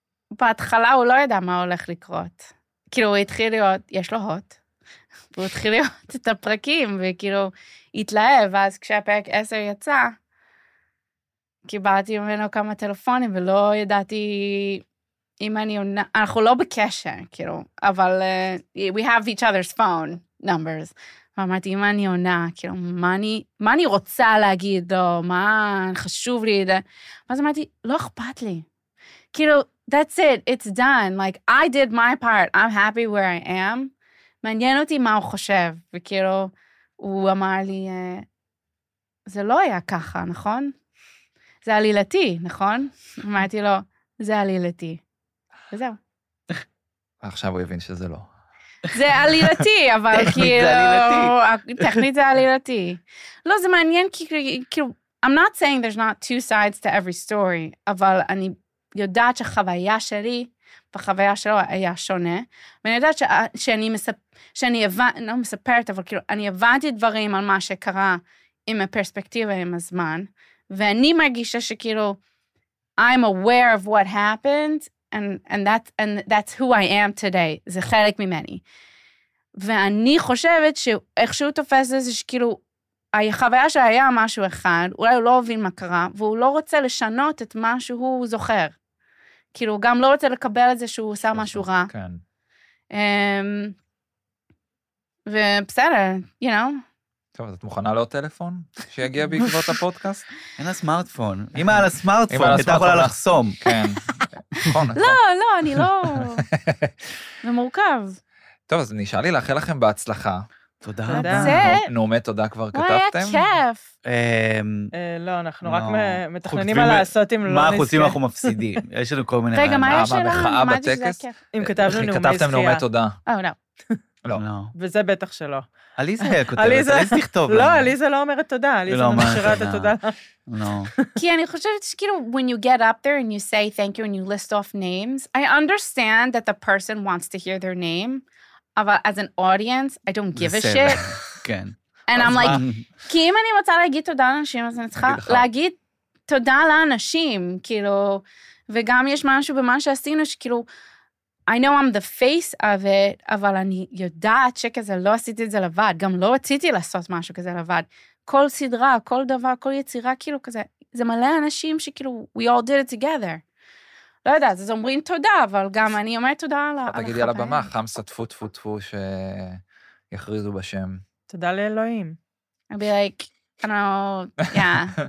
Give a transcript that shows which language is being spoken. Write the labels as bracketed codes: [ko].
[he] בהתחלה הוא לא ידע מה הולך לקרות. כאילו, הוא התחיל להיות, יש לו הוט, והוא התחיל להיות את הפרקים, וכאילו, התלהב, ואז כשהפרק 10 יצא, קיבלתי ממנו כמה טלפונים, ולא ידעתי אם אני... אנחנו לא בקשר, כאילו, אבל [en] we have each other's phone numbers. [he] ואמרתי, אם אני עונה, כאילו, מה אני רוצה להגיד לו, מה חשוב לי? ואז אמרתי, לא אכפת לי. כאילו, [en] that's it, it's done. Like, I did my part, I'm happy where I am. [he] מעניין אותי מה הוא חושב. וכאילו, הוא אמר לי, זה לא היה ככה, נכון? זה עלילתי, נכון? אמרתי לו, זה עלילתי. וזהו. עכשיו הוא הבין שזה לא. זה עלילתי, אבל כאילו... טכנית זה עלילתי. לא, זה מעניין, כאילו... [en] I'm not saying there's not 2 sides to every story, [he] אבל אני יודעת שהחוויה שלי והחוויה שלו היה שונה, ואני יודעת שאני הבנתי, לא מספרת, אבל כאילו, אני הבנתי דברים על מה שקרה עם הפרספקטיבה, עם הזמן, ואני מרגישה שכאילו, [en] I'm aware of what happened, and that's who I am today. [he] זה חלק ממני. ואני חושבת שאיכשהו תופס זה שכאילו, החוויה שהיה משהו אחד, אולי הוא לא הבין מה קרה, והוא לא רוצה לשנות את מה שהוא זוכר. כאילו, הוא גם לא רוצה לקבל את זה שהוא עושה משהו רע. כן. ובסדר, [en] you know. [he] טוב, אז את מוכנה לעוד טלפון שיגיע בעקבות הפודקאסט? אין לה סמארטפון. אם היה לה סמארטפון, הייתה יכולה לחסום. כן. נכון. לא, לא, אני לא... זה מורכב. טוב, אז נשאר לי לאחל לכם בהצלחה. תודה רבה. זה... נעומת תודה כבר כתבתם. היה כיף. לא, אנחנו רק מתכננים מה לעשות אם לא נזכה. מה חוצים אנחנו מפסידים? יש לנו כל מיני... רגע, מה יש לנו? מה זה בטקס? אם כתבנו נעומת זכייה. כתבתם נעומת תודה. לא. וזה בטח שלא. אליזה כותבת, אליזה תכתוב. לא, אליזה לא אומרת תודה, אליזה משאירה את התודה. לא. כי אני חושבת שכאילו, [en] when you get up there and you say thank you and you list off names, I understand that the person wants to hear their name, [he] אבל [en] as an audience, I don't give a shit. [he] כן. [en] And I'm like, [he] כי אם אני רוצה להגיד תודה לאנשים, אז אני צריכה להגיד תודה לאנשים, כאילו, וגם יש משהו במה שעשינו שכאילו, [en] I know I'm the face of it, [he] אבל אני יודעת שכזה לא עשיתי את זה לבד, גם לא רציתי לעשות משהו כזה לבד. כל סדרה, כל דבר, כל יצירה, כאילו כזה, זה מלא אנשים שכאילו, [en] we all did it together. [he] לא יודע, אז אומרים תודה, אבל גם אני אומרת תודה על החברים. תגידי על הבמה, חמסה טפו טפו טפו שיכריזו בשם. תודה לאלוהים. [en] I'll be like, I don't know, yeah.